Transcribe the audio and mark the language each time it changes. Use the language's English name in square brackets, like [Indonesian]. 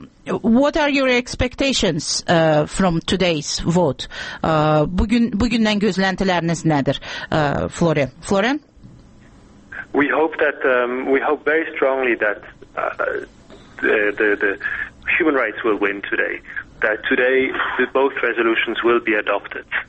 [English] What are your expectations from today's vote? [Azerbaijani] Bugündən gözləntiləriniz nədir? Florian? [English] We hope that we hope very strongly that the human rights will win today. That today both resolutions will be adopted.